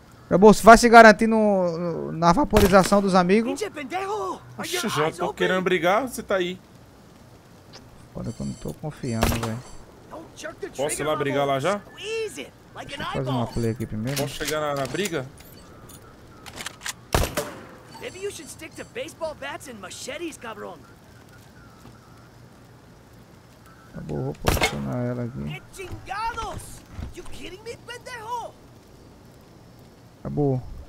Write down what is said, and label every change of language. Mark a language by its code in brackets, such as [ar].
[pt] Já bolso, vai se garantir na vaporização dos amigos. Oxe, já tô querendo brigar, você tá aí. Foda que eu não tô confiando, velho. Posso ir lá brigar lá já? Deixa eu fazer uma play aqui primeiro. Posso chegar na briga? [en] Maybe you should stick to baseball bats and machetes, cabrón. [pt] Tá bom, vou posicionar ela aqui. [es] Que chingados! [en] You kidding me, pendejo? [pt] Tá bom.